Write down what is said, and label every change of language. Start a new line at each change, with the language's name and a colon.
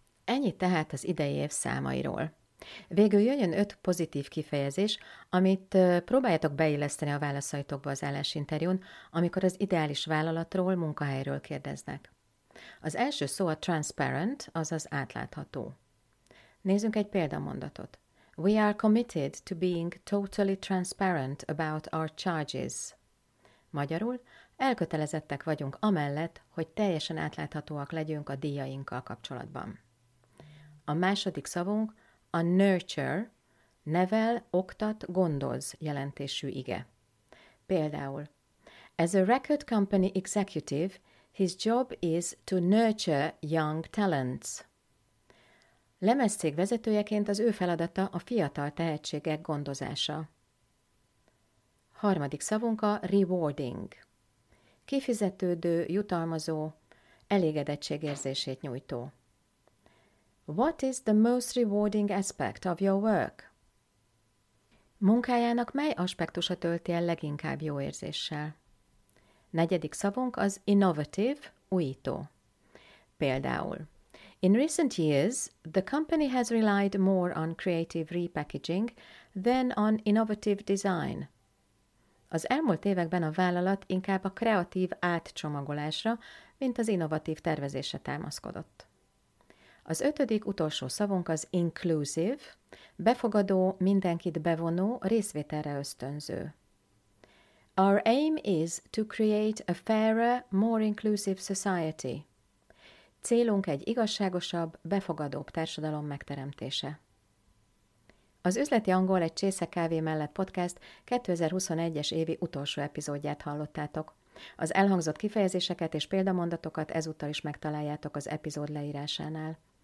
Hungarian: Ennyi tehát az idei év számairól. Végül jöjjön 5 pozitív kifejezés, amit próbáljátok beilleszteni a válaszaitokba az állásinterjún, amikor az ideális vállalatról, munkahelyről kérdeznek. Az első szó a transparent, azaz átlátható. Nézzünk egy példamondatot.
English: We are committed to being totally transparent about our charges.
Hungarian: Magyarul, elkötelezettek vagyunk amellett, hogy teljesen átláthatóak legyünk a díjainkkal kapcsolatban. A második szavunk a nurture, Nevel, oktat, gondoz jelentésű ige. Például,
English: as a record company executive, his job is to nurture young talents.
Hungarian: Lemezcég vezetőjeként az ő feladata a fiatal tehetségek gondozása. Harmadik szavunk a rewarding. Kifizetődő, jutalmazó, elégedettségérzését nyújtó.
English: What is the most rewarding aspect of your work?
Hungarian: Munkájának mely aspektusa tölti el leginkább jó érzéssel? Negyedik szavunk az innovative, újító. Például,
English: in recent years, the company has relied more on creative repackaging than on innovative design.
Hungarian: Az elmúlt években a vállalat inkább a kreatív átcsomagolásra, mint az innovatív tervezésre támaszkodott. Az ötödik, utolsó szavunk az inclusive, befogadó, mindenkit bevonó, részvételre ösztönző.
English: Our aim is to create a fairer, more inclusive society.
Hungarian: Célunk egy igazságosabb, befogadóbb társadalom megteremtése. Az Üzleti Angol egy csésze kávé mellett podcast 2021-es évi utolsó epizódját hallottátok. Az elhangzott kifejezéseket és példamondatokat ezúttal is megtaláljátok az epizód leírásánál.